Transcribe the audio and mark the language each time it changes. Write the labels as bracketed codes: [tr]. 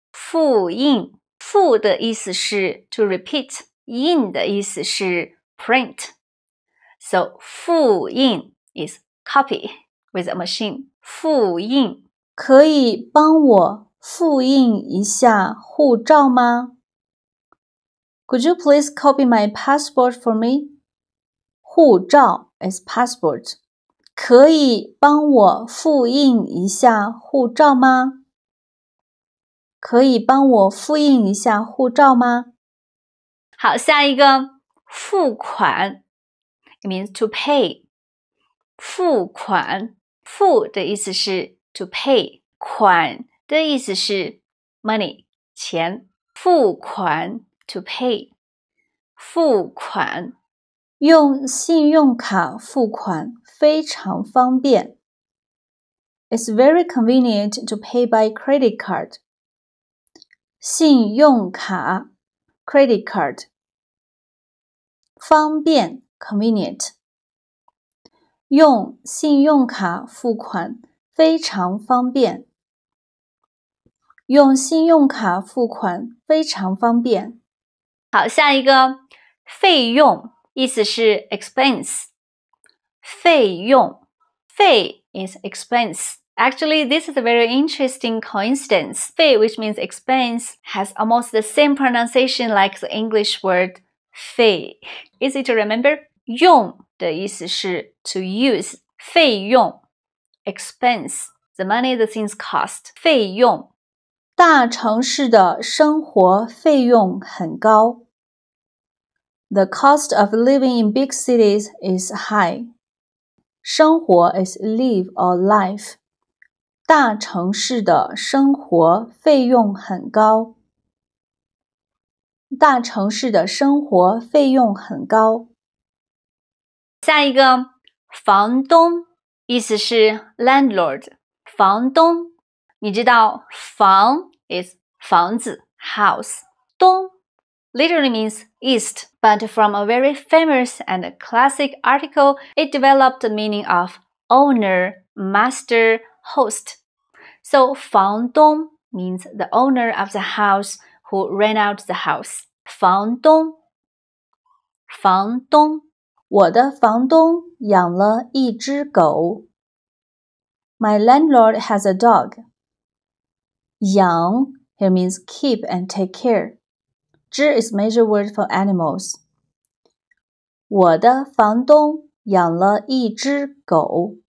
[zh] 复印。复的意思是 [en] to repeat. [zh] 印的意思是 print. So, 复印。 [en] Is copy with a machine. 复印。 [zh] 可以帮我复印一下护照吗？ [en] Could you please copy my passport for me? 护照 is passport. [zh] 可以帮我复印一下护照吗？可以帮我复印一下护照吗？好，下一个，付款。 [en] It means to pay. [zh] 付款，付的意思是 [en] to pay, [zh] 款的意思是 money, 钱。付款 to pay, 付款。用信用卡付款非常方便。 [en] It's very convenient to pay by credit card. 信用卡 credit card. 方便 convenient. [zh] 用信用卡付款非常方便。用信用卡付款非常方便。好，下一个，费用，意思是 expense。 [en] 费用，费 is expense. Actually, this is a very interesting coincidence. 费 which means expense, has almost the same pronunciation like the English word 费. Easy to remember? [zh] 用的意思是 [en] to use, 费用, expense, the money the things cost, 费用。 [zh] 大城市的生活费用很高。 [en] The cost of living in big cities is high. 生活 is live or life. [zh] 大城市的生活费用很高。大城市的生活费用很高。下一个。房东意思是 landlord, 房东。你知道房 is 房子house. [en] 东 literally means east, but from a very famous and classic article, it developed the meaning of owner, master, host. So 房东 means the owner of the house who rent out the house. [zh] 房东房东我的房东养了一只狗。 [en] My landlord has a dog. 养 here means keep and take care. [zh] 只 [en] is major word for animals. [zh] 我的房东养了一只狗。